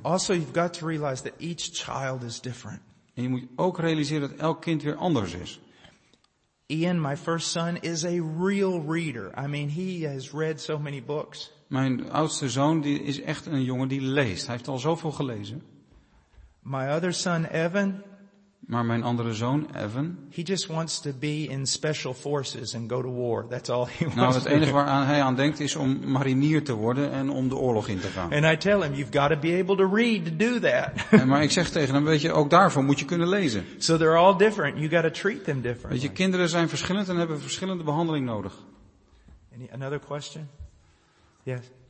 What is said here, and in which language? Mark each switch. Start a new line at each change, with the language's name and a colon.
English: Also, you've got to realize that each child is different.
Dutch: En je moet ook realiseren dat elk kind weer anders is.
English: Ian, my first son, is a real reader. I mean, he has read so many books.
Dutch: Mijn oudste zoon die is echt een jongen die leest. Hij heeft al zoveel gelezen.
English: My other son, Evan.
Dutch: Maar mijn andere zoon, Evan.
English: He just wants to be in special forces and go to war. That's all he wants.
Dutch: Nou, het enige waar hij aan denkt is om marinier te worden en om de oorlog in te gaan.
English: And I tell him, you've got to be able to read to do that.
Dutch: Maar ik zeg tegen hem, weet je, ook daarvoor moet je kunnen lezen.
English: So they're all different. You got to treat them differently.
Dutch: Weet je, kinderen zijn verschillend en hebben verschillende behandeling nodig.
English: Another question? Yes.